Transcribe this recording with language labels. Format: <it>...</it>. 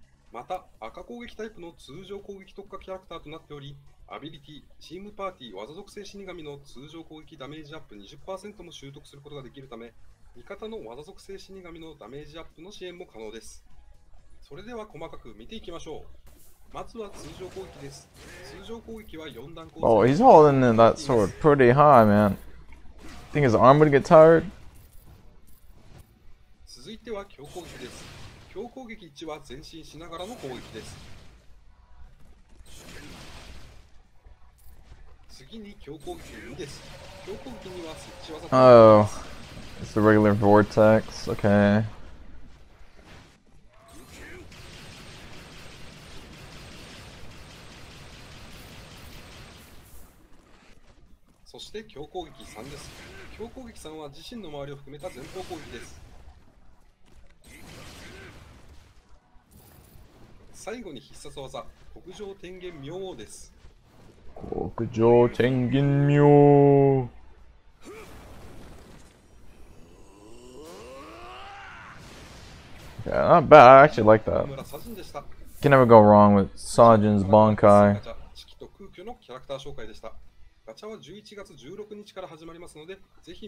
<ja>また、赤攻撃タイプの通常攻撃特化キャラクターとなっており、アビリティ、チームパーティー、技属性死神の通常攻撃ダメージアップ 20% も習得することができるため、味方の技属性死神のダメージアップの支援も可能です。それでは細かく見ていきましょう。まずは通常攻撃です。通常攻撃は4段攻撃。</ja> <en>Oh, he's holding in that sword pretty high, man. Think his arm would get tired?</en> <ja>続いては強攻撃です。強攻撃1は前進しながらの攻撃です。次に強攻撃2です。強攻撃には設置技があります。</ja> <en>Oh, it's the regular vortex, okay.</en> <ja>そして強攻撃3です。強攻撃3は自身の周りを含めた前方攻撃です。最後に必殺技、極上天元妙王です。</ja> <en>極上天元妙王、yeah, not bad, I actually like that. Can never go wrong with Sajin's Bankai.</en> <ja>地球と空虚のキャラクター紹介でした。ガチャは11月16日から始まりますので、ぜひ</ja>